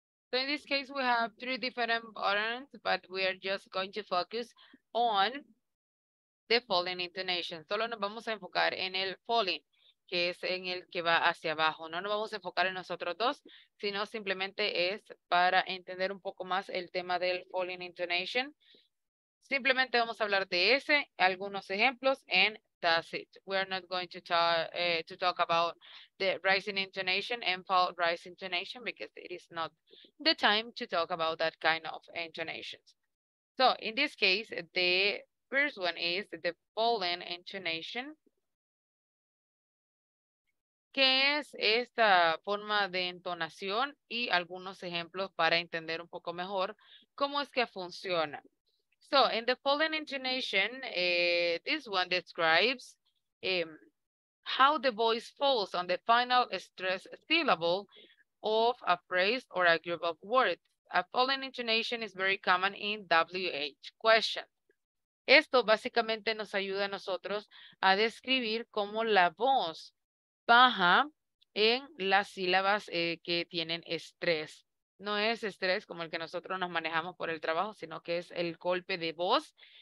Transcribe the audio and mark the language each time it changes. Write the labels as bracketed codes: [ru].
[en] So in this case, we have three different patterns, but we are just going to focus on the falling intonation. [es] Solo nos vamos a enfocar en el falling, que es en el que va hacia abajo. No nos vamos a enfocar en nosotros dos, sino simplemente es para entender un poco más el tema del falling intonation. Simplemente vamos a hablar de ese, algunos ejemplos, [en] and that's it. We are not going to talk about the rising intonation and fall rise intonation because it is not the time to talk about that kind of intonations. So in this case, the first one is the falling intonation. [es] ¿Qué es esta forma de entonación? Y algunos ejemplos para entender un poco mejor cómo es que funciona. [en] So, in the falling intonation, this one describes how the voice falls on the final stress syllable of a phrase or a group of words. A falling intonation is very common in WH questions. [es] Esto básicamente nos ayuda a nosotros a describir cómo la voz baja en las sílabas que tienen estrés. No es estrés como el que nosotros nos manejamos por el trabajo, sino que es el golpe de voz.